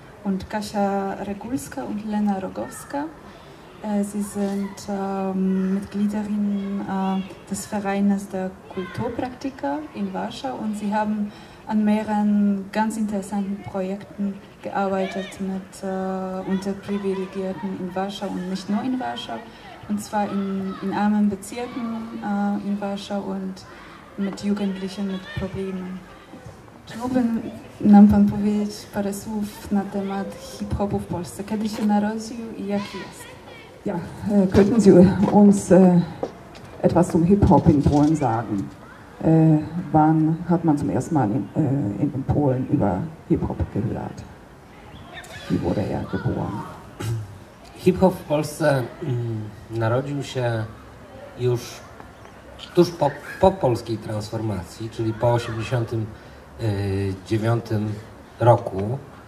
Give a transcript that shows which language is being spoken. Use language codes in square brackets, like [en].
[de] Und Kasia Regulska und Lena Rogowska, sie sind Mitgliederin des Vereines der Kulturpraktiker in Warschau, und sie haben an mehreren ganz interessanten Projekten gearbeitet mit Unterprivilegierten in Warschau und nicht nur in Warschau, und zwar in armen Bezirken in Warschau und mit Jugendlichen mit Problemen. [pl] Chciałbym nam pan powiedzieć parę słów na temat hip-hopu w Polsce. Kiedy się narodził i jaki jest? [de] Ja, könnten Sie uns etwas zum Hip-Hop in Polen sagen? Wann hat man zum ersten Mal in Polen über Hip-Hop gehört? Wie wurde er geboren? [pl] Hip-Hop w Polsce narodził się już tuż po polskiej transformacji, czyli po 89 roku.